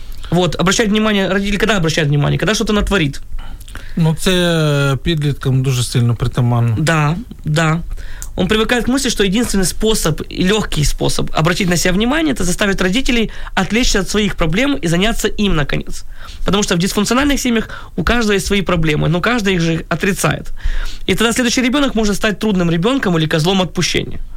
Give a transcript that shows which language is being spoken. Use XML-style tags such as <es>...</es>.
<ru>Вот, обращают внимание, родители когда обращают внимание? Когда что-то натворит.</ru> <uk>Ну, це підліткам дуже сильно притаманно.</uk> <ru>Да, да. Он привыкает к мысли, что единственный способ и легкий способ обратить на себя внимание – это заставить родителей отвлечься от своих проблем и заняться им, наконец. Потому что в дисфункциональных семьях у каждого есть свои проблемы, но каждый их же отрицает. И тогда следующий ребенок может стать трудным ребенком или козлом отпущения.</ru>